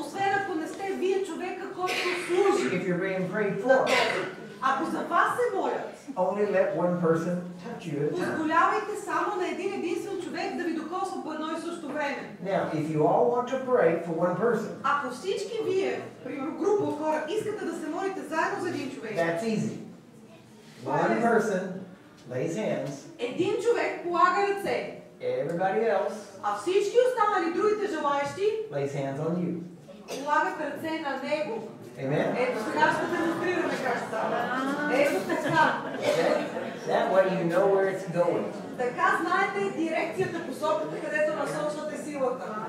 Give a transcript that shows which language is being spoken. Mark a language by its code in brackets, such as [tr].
[bg] Освен ако не сте вие човека, който служи. [en] If you're being prayed for. [bg] Ако за вас се молят. [en] Only let one person touch you. [bg] Позволявайте само на един единствен човек да ви докосва по едно и също време. [en] Now, if you all want to pray for one person. [bg] Ако всички вие, примерно група хора, искате да се молите заедно за един човек. [en] That's easy. One person lays hands. [bg] Един човек полага ръце. [en] Everybody else. [bg] А всички останали, другите желаещи, [en] lays hands on you. [bg] Полагат ръце на него. [en] Amen. [bg] Ето сега ще демонстрираме как става. Ето така. [en] That way you know where it's going. [bg] Така знаете дирекцията, посоката, където насочвате силата.